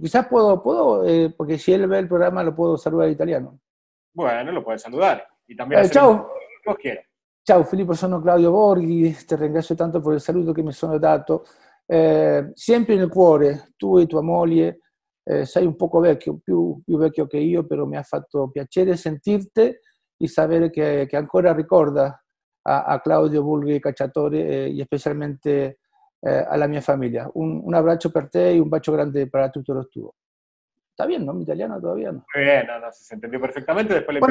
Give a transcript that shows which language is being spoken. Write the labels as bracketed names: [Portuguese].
[Spanish] Quizás puedo, porque si él ve el programa lo puedo saludar en italiano. Bueno, lo puedes saludar. Y también chau. Vos quieras. [Italian] Chau, Filippo, sono Claudio Borghi, te ringrazio tanto per il saluto che mi sono dato. Sempre nel cuore, tu e tua moglie, sei un poco vecchio, più vecchio che io, però mi ha fatto piacere sentirti e sapere che ancora ricorda a Claudio Borghi Cacciatore e specialmente alla mia famiglia. Un abbraccio per te e un bacio grande per tutto lo tuo. Sta bene, no? Italiano, [Spanish] todavía no? Bene, no, si se entendió perfectamente.